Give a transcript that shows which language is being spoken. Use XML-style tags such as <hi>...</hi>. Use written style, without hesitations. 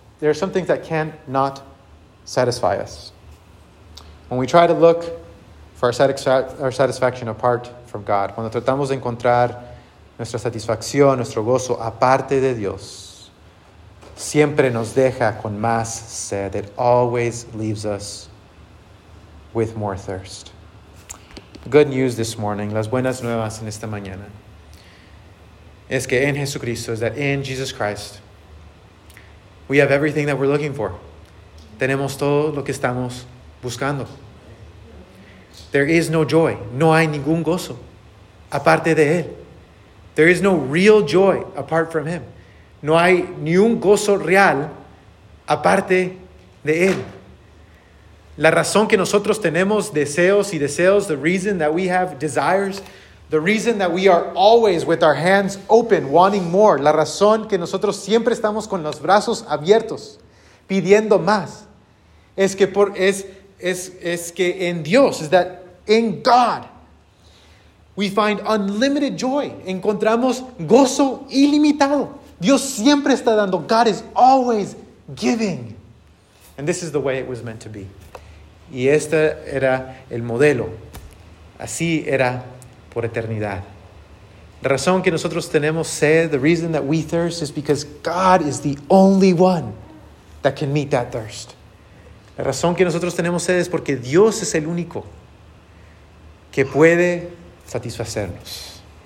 <en>There are some things that cannot satisfy us. When we try to look for our satisfaction apart from God.</en> <es>Cuando tratamos de encontrar nuestra satisfacción, nuestro gozo, aparte de Dios, siempre nos deja con más sed.</es> <en>It always leaves us with more thirst. Good news this morning,</en> <es>las buenas nuevas en esta mañana, es que en Jesucristo,</es> <en>is that in Jesus Christ, we have everything that we're looking for.</en> <es>Tenemos todo lo que estamos buscando.</es> <en>There is no joy.</en> <es>No hay ningún gozo aparte de Él.</es> <en>There is no real joy apart from Him.</en> <es>No hay ni un gozo real aparte de Él. La razón que nosotros tenemos deseos y deseos,</es> <en>the reason that we have desires, the reason that we are always with our hands open, wanting more,</en> <es>la razón que nosotros siempre estamos con los brazos abiertos, pidiendo más, es que en</es> <en>God, we find unlimited joy.</en> <es>Encontramos gozo ilimitado. Dios siempre está dando.</es> <en>God is always giving. And this is the way it was meant to be.</en> <es>Y este era el modelo. Así era por eternidad. La razón que nosotros tenemos sed,</es> <en>the reason that we thirst, is because God is the only one that can meet that thirst.</en> <es>La razón que nosotros tenemos sed es porque Dios es el único que puede satisfacernos.</es>